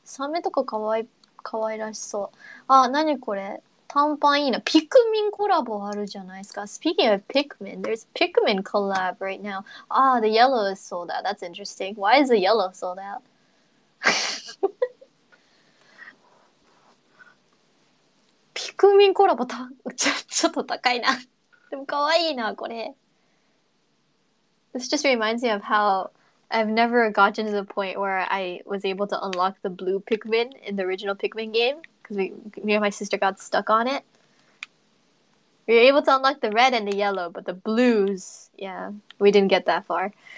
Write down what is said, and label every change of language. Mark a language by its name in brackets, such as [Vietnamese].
[Japanese] サメとかかわいらしそう。あ、何これ？短パンいいな。ピクミンコラボあるじゃないですか。 [English] Speaking of Pikmin, there's Pikmin collab right now. Ah, the yellow is sold out. That's interesting. Why is the yellow sold out? [Japanese] ピクミンコラボちょっと高いな。でもかわいいな、これ。 [English] This just reminds me of how... I've never gotten to the point where I was able to unlock the blue Pikmin in the original Pikmin game. Because me and my sister got stuck on it. We were able to unlock the red and the yellow, but the blues, yeah, we didn't get that far.